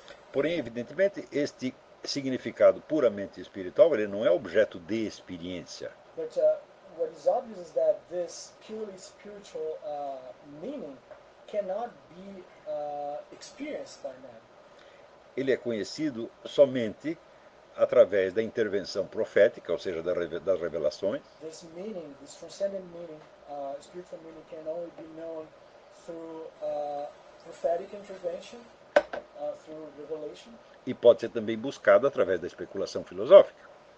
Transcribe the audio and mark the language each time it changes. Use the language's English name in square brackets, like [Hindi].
[Portuguese] Porém, evidentemente, este significado puramente espiritual, ele não é objeto de experiência [English] But what is obvious is that this purely spiritual meaning cannot be experienced by man. [Portuguese] Ele é conhecido somente através da intervenção profética, ou seja, das revelações. [English] This meaning, this transcendent meaning, spiritual meaning can only be known through prophetic intervention, through revelation. [Portuguese] E pode ser também buscado através da especulação filosófica.